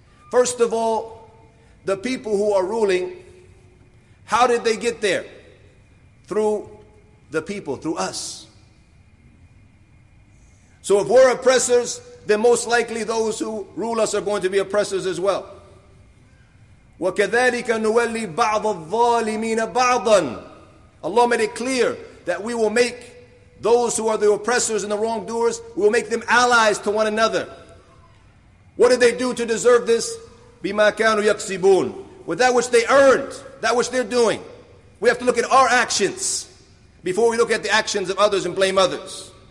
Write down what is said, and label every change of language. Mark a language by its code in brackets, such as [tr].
[en] First of all, the people who are ruling, how did they get there? Through the people, through us. So if we're oppressors, then most likely those who rule us are going to be oppressors as well. [ar] وَكَذَلِكَ نُوَلِّي بَعْضَ الظَّالِمِينَ بَعْضًا. [en] Allah made it clear that we will make those who are the oppressors and the wrongdoers, we will make them allies to one another. What did they do to deserve this? [ar] بِمَا كَانُوا يَكْسِبُونَ. [en] With that which they earned, that which they're doing. We have to look at our actions before we look at the actions of others and blame others.